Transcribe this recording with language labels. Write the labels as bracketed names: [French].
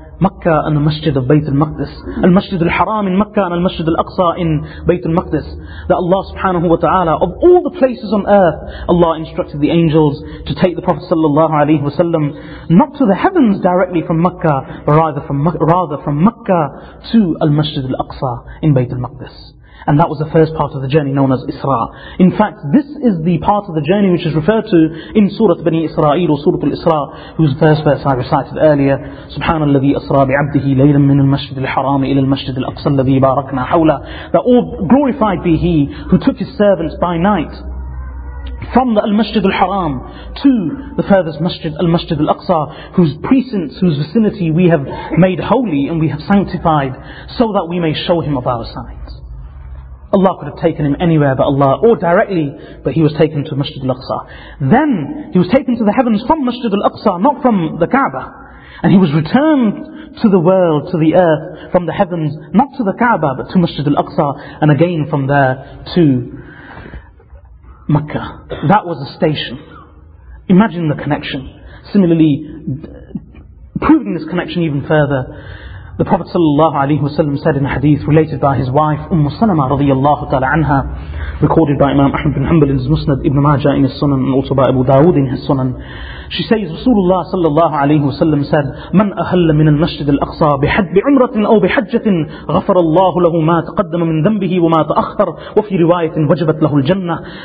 [English] Makkah and the Masjid of Bayt al-Maqdis, al-Masjid al-Haram in Makkah and al-Masjid al-Aqsa in Bayt al-Maqdis, that Allah subhanahu wa ta'ala, of all the places on earth, Allah instructed the angels to take the Prophet sallallahu alayhi wa sallam, not to the heavens directly from Makkah, but rather from Makkah to al-Masjid al-Aqsa in Bayt al-Maqdis. And that was the first part of the journey known as Isra. In fact, this is the part of the journey which is referred to in Surah Bani Israel, or Surah Al-Isra, whose first verse I recited earlier. [Arabic] سبحان الذي أسرى بعبده ليلا من المسجد الحرام إلى المسجد الأقصى الذي باركنا حوله. [English] That all glorified be he who took his servants by night from the Al-Masjid Al-Haram to the furthest masjid, Al-Masjid Al-Aqsa, whose precincts, whose vicinity we have made holy and we have sanctified, so that we may show him of our signs. Allah could have taken him anywhere but Allah, or directly, but he was taken to Masjid al-Aqsa. Then he was taken to the heavens from Masjid al-Aqsa, not from the Kaaba. And he was returned to the world, to the earth, from the heavens, not to the Kaaba, but to Masjid al-Aqsa, and again from there to Makkah. That was a station. Imagine the connection. Similarly, proving this connection even further, the Prophet sallallahu alayhi wa sallam said in a hadith related by his wife Ummu Salama radiyallahu ta'ala anha, recorded by Imam Ahmad bin Hanbal in his Musnad, Ibn Majah in his Sunan, and also by Abu Dawood in his Sunan. She says, Rasulullah sallallahu alayhi wa sallam said, [Arabic] من أهل من المسجد الأقصى بعمرة أو بحجة غفر الله له ما تقدم من ذنبه وما تأخر وفي رواية وجبت له الجنة.